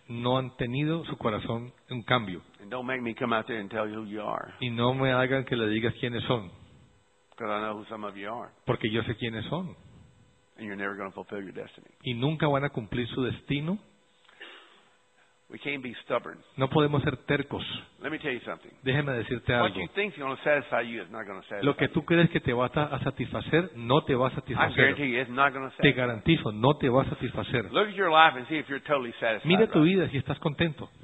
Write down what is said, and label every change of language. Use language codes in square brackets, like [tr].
[es] No han tenido su corazón un cambio. [en] And don't make me come out there and tell you who you are. [es] Y no me hagan que le digas quiénes son. [en] Because I know who some of you are. [es] Porque yo sé quiénes son. [en] And you're never going to fulfill your destiny. [es] Y nunca van a cumplir su destino. [en] We can't be stubborn. [es] No podemos ser tercos. [en] Let me tell you something. [es] Déjeme decirte [en] what [es] algo. [en] What you think is going to satisfy you is not going to satisfy you. [es] Lo que tú crees que te va a satisfacer no te va a satisfacer. [en] I guarantee you, it's not going to satisfy. [es] Te garantizo, no te va a satisfacer. [en] Look at your life and see if you're totally satisfied. [es] Mira tu vida si estás contento.